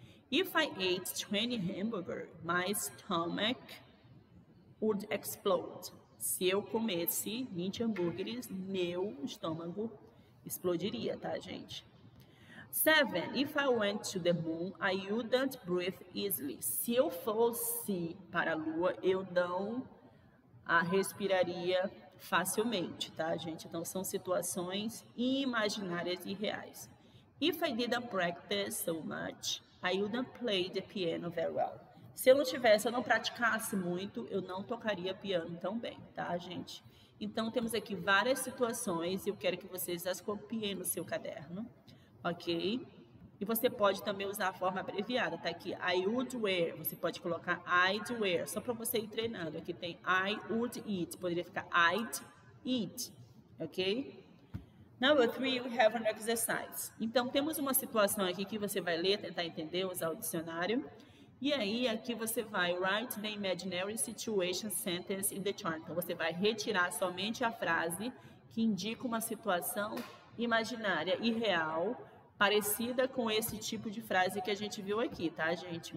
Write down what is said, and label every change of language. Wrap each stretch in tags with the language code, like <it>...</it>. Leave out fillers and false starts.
<en>If I ate 20 hamburgers, my stomach would explode.</en> <pt>Se eu comesse 20 hambúrgueres, meu estômago explodiria, tá, gente? 7.</pt> <en>If I went to the moon, I wouldn't breathe easily.</en> <pt>Se eu fosse para a lua, eu não a respiraria facilmente, tá, gente? Então são situações imaginárias e reais.</pt> <en>If I didn't practice so much, I wouldn't play the piano very well.</en> <pt>Se eu não tivesse, eu não praticasse muito, eu não tocaria piano tão bem, tá, gente? Então temos aqui várias situações e eu quero que vocês as copiem no seu caderno, ok? E você pode também usar a forma abreviada, tá aqui,</pt> <en>I would wear,</en> <pt>você pode colocar</pt> <en>I'd wear,</en> <pt>só para você ir treinando. Aqui tem</pt> <en>I would eat,</en> <pt>poderia ficar</pt> <en>I'd eat,</en> <pt>ok?</pt> <en>Number three, we have an exercise.</en> <pt>Então, temos uma situação aqui que você vai ler, tentar entender, usar o dicionário. E aí, aqui você vai</pt> <en>write the imaginary situation sentence in the chart.</en> <pt>Então, você vai retirar somente a frase que indica uma situação imaginária e real, parecida com esse tipo de frase que a gente viu aqui, tá, gente?</pt>